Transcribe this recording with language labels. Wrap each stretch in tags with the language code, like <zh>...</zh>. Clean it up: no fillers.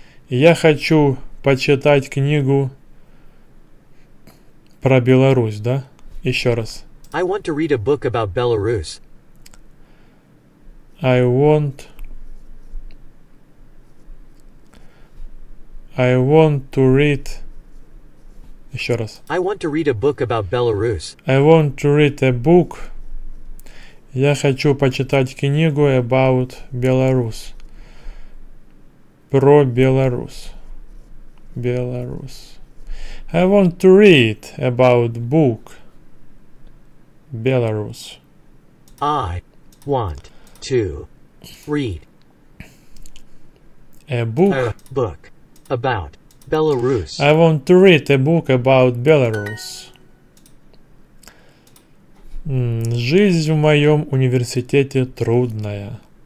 <ru>Я хочу почитать книгу про Беларусь, да? Еще раз.</ru> <en>I want to read a book about Belarus.</en> <ru>Еще раз.</ru> <en>I want to read a book about Belarus. I want to read a book.</en> <ru>Я хочу почитать книгу</ru> <en>about Belarus.</en> <ru>Про Беларусь. Беларусь.</ru> <en>I want to read about book. Belarus. I want to read a book about Belarus. I want to read a book about Belarus.</en> <ru>Жизнь в моем университете трудная.</ru>